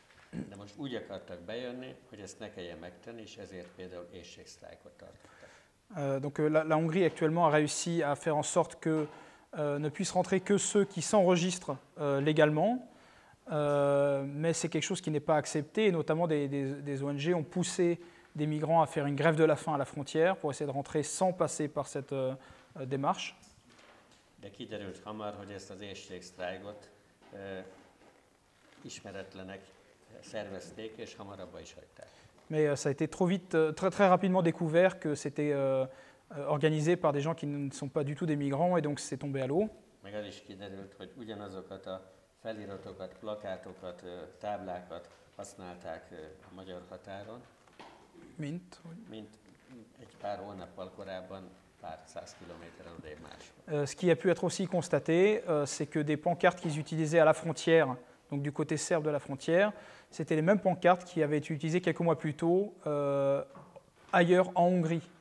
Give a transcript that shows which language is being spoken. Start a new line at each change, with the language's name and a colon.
Hungarian: De most úgy akartak bejönni, hogy ezt ne kelljen megtenni, és ezért például éhségsztrájkot tartottak.
French: Donc la Hongrie actuellement a réussi à faire en sorte que ne puissent rentrer que ceux qui s'enregistrent légalement, mais c'est quelque chose qui n'est pas accepté, et notamment des ONG ont poussé des migrants à faire une grève de la faim à la frontière pour essayer de rentrer sans passer par cette démarche.
Hungarian: De kiderült hamar, hogy ezt az éhségsztrájkot ismeretlenek szervezték, és hamarabb is hagyták.
French: Mais ça a été trop vite, très très rapidement découvert que c'était organisé par des gens qui ne sont pas du tout des migrants et donc c'est tombé à l'eau.
Hungarian: Meg el is kiderült, hogy ugyanazokat a feliratokat, plakátokat, táblákat használták a magyar határon. Mint? Mint egy pár hónappal korábban, pár száz kilométeren a démás.
French: Ce qui a pu être aussi constaté, c'est que des pancartes qu'ils utilisaient à la frontière, donc du côté serbe de la frontière, c'était les mêmes pancartes qui avaient été utilisées quelques mois plus tôt ailleurs en Hongrie.